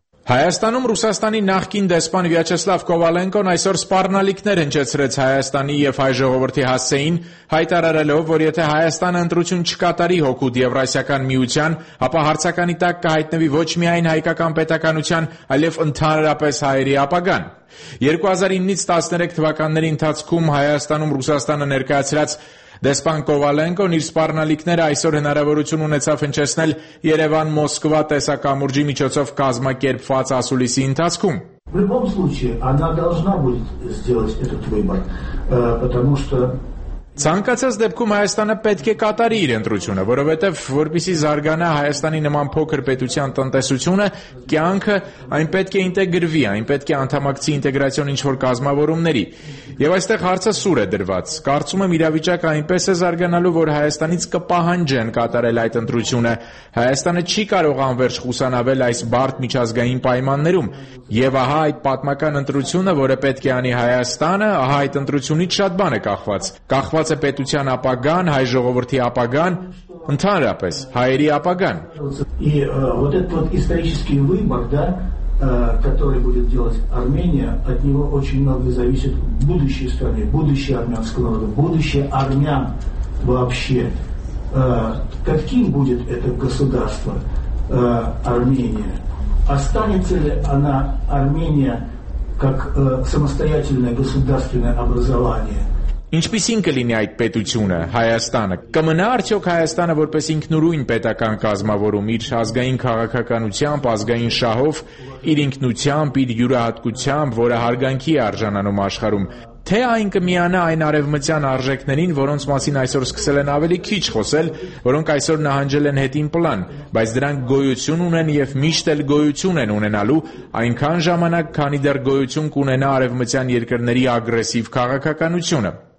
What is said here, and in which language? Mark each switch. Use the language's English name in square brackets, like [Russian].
[Armenian] Հայաստանում Ռուսաստանի նախկին դեսպան Վյաչեսլավ Կովալենկոն այսօր սպառնալիքներ հնչեցրեց Հայաստանի և հայ ժողովրդի հասցեին, հայտարարելով, որ եթե Հայաստանը ընտրություն չկատարի հոգուտ Եվրասիական միության, ապա հարցականի տակ կհայտնվի ոչ միայն հայկական պետականության, այլև ընդհանրապես հայերի ապագան։ 2009-ից 13 թվականների ընթացքում Հայաստանում Ռուսաստանը ներկայացրած դեսպան Կովալենկոն իր սպառնալիքները այսօր հնարավորություն ունեցավ հնչեցնել Երևան-Մոսկվա տեսակամուրջի միջոցով կազմակերպված ասուլիսի ընթացքում։ [Russian] В любом случае, она должна будет сделать этот выбор, потому что [Armenian] ցանկացած դեպքում Հայաստանը պետք է կատարի իր ընտրությունը, որովհետև որպեսզի զարգանա Հայաստանի նման փոքր պետության տնտեսությունը, կյանքը, այն պետք է ինտեգրվի, այն պետք է անդամակցի ինտեգրացիոն ինչ-որ կազմավորումների։ Եվ այստեղ հարցը սուր է դրված։ Կարծում եմ իրավիճակը այնպես է զարգանալու, որ Հայաստանից կպահանջեն կատարել այդ ընտրությունը։ Հայաստանը չի կարող անվերջ խուսանավել այս բարդ միջազգային պայմաններում։ Եվ ահա այդ պատմական ընտրությունը, որը պետք է անի Հայաստանը, ահա այդ ընտրությունից շատ բան է կախված։ Կախված է պետության ապագան, հայ ժողովրդի ապագան, ընդհանրապես հայերի ապագան։ [Russian] Который будет делать Армения, от него очень много зависит будущее страны, будущее армянского народа, будущее армян вообще. Каким будет это государство Армения? Останется ли она Армения как самостоятельное государственное образование? [Armenian] Ինչպիսին կլինի այդ պետությունը, Հայաստանը, կմնա արդյոք Հայաստանը որպես ինքնուրույն պետական կազմավորում, իր ազգային քաղաքականությամբ, ազգային շահով, իր ինքնությամբ, իր յուրահատկությամբ, որը հարգանքի է արժանանում աշխարհում, թե այն կմիանա այն արևմտյան արժեքներին, որոնց մասին այսօր սկսել են ավելի քիչ խոսել, որոնք այսօր նահանջել են հետին պլան, բայց դրանք գոյություն ունեն և միշտ էլ գոյություն են ունենալու, այնքան ժամանակ, քանի դեռ գոյություն կունենա արևմտյան երկրների ագրեսիվ քաղաքականությունը։